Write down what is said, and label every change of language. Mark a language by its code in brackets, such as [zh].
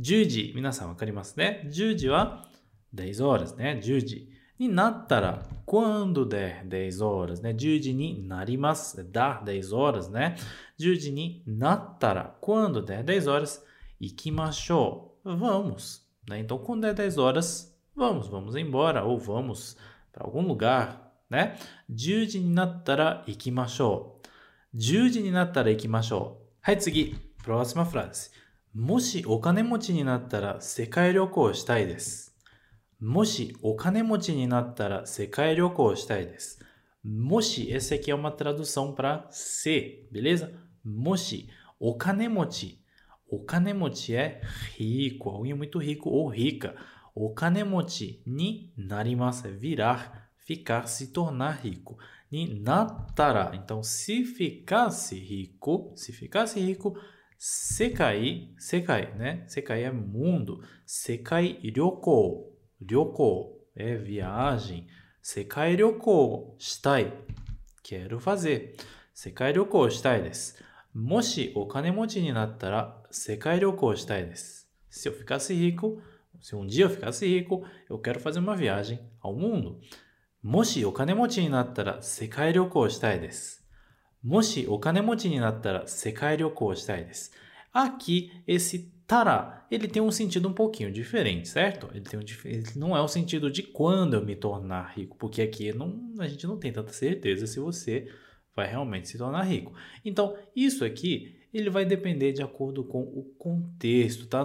[ja] 10時、皆さんわかりますね。10時は [pt] 10 horas [ja] ね。 10時になったら、 [pt] quando der 10 horas ね。 [ja] 10時になります。だ [pt] 10 horas [ja] ね。 10時になったら、 [pt] quando der 10 horas、 [ja] 行きましょう。 [pt] Vamos。ね、então, quando der 10 horas, vamos, vamos embora, ou vamos para algum lugar, né? [ja] 10時になったら行きましょう。10時になったら行きましょう。はい、次。 [pt] Próxima frase。 [ja] もしお金持ちになったら世界旅行をしたいです。もしお金持ちになったら世界旅行をしたいです。 [pt] もし、essa aqui é uma tradução para se, beleza? [ja] もしお金持ち、 [pt] お金持ちは rico, alguém muito rico ou rica. [ja] お金持ちになります。 [pt] virar, ficar, se tornar rico. になったら、então, se ficasse rico,世界, né? 世界 é mundo. 世界旅行, 旅行 é viagem. 世界旅行したい, quero fazer. [ja] 世界旅行したいです。もしお金持ちになったら世界旅行したいです。 [pt] Se eu ficasse rico, se um dia eu ficasse rico, eu quero fazer uma viagem ao mundo. [ja] もしお金持ちになったら世界旅行したいです。もしお金持ちになったら世界旅行したいです。 [pt] Aqui, esse tara, ele tem um sentido um pouquinho diferente, certo? Ele não é o sentido de quando eu me tornar rico, porque aqui não, a gente não tem tanta certeza se você vai realmente se tornar rico. Então, isso aqui, ele vai depender de acordo com o contexto, tá?